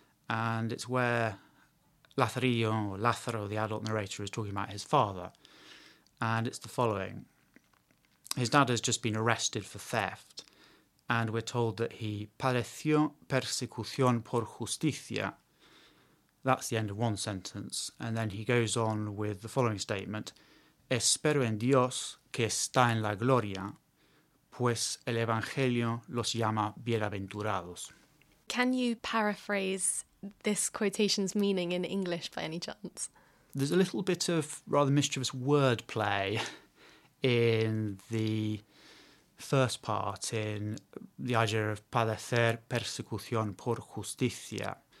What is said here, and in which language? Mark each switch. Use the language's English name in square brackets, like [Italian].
[English] And it's where Lázaro, the adult narrator, is talking about his father. And it's the following. His dad has just been arrested for theft, and we're told that he [Spanish] padeció persecución por justicia. [English] That's the end of one sentence. And then he goes on with the following statement. [Spanish] Espero en Dios que está en la gloria, pues el Evangelio los llama bienaventurados. [English] Can you paraphrase this quotation's meaning in English by any chance? There's a little bit of rather mischievous wordplay in the first part, in the idea of [Spanish] padecer persecución por justicia.